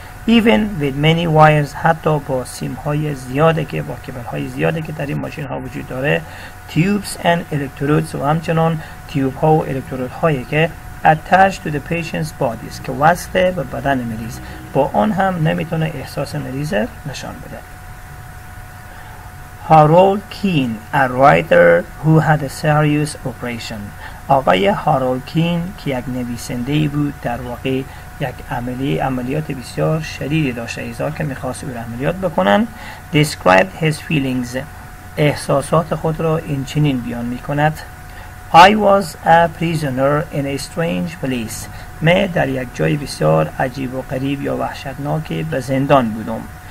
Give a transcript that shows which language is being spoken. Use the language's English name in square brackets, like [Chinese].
[English] Even with many wires، [Persian] حتی با سیم های زیاده که، با کیبل های زیاده که در این ماشین ها وجود داره، [English] tubes and electrodes، [Persian] و همچنان تیوب ها و الکترود هایی که [English] attached to the patient's body، [Persian] که وصله به بدن مریض، با اون هم نمیتونه احساس مریض نشان بده. [English] Harold Keene، a writer who had a serious operation، [Persian] آقای هارولد کین که یک نویسنده ای بود، در واقع یک عملیات بسیار شدیدی داشت ایزا که میخواست او را عملیات بکنن. [English] Described his feelings، [Persian] احساسات خود را این چنین بیان میکند: [English] I was a prisoner in a strange place، [Persian] من در یک جای بسیار عجیب و غریب یا وحشتناک به زندان بودم.